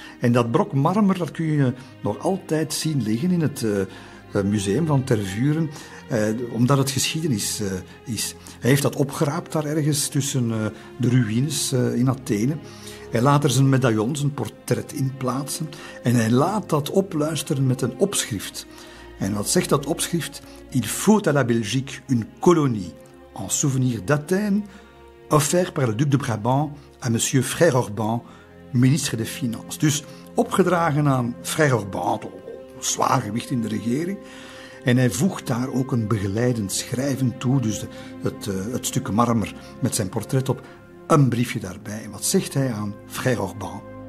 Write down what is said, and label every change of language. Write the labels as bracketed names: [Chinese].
[Dutch] En dat brok marmer dat kun je nog altijd zien liggen in het museum van Tervuren, omdat het geschiedenis is. Hij heeft dat opgeraapt daar ergens tussen de ruïnes in Athene. Hij laat er zijn medaillon, zijn portret in plaatsen en hij laat dat opluisteren met een opschrift. En wat zegt dat opschrift? [French] Il faut à la Belgique une colonie en souvenir d'Athènes offert par le duc de Brabant à monsieur Frère Orban, ministre des Finances. [Dutch] Dus opgedragen aan Frère Orban, zwaar gewicht in de regering. En hij voegt daar ook een begeleidend schrijven toe, dus het stuk marmer met zijn portret op. Een briefje daarbij. Wat zegt hij aan Frère Orban?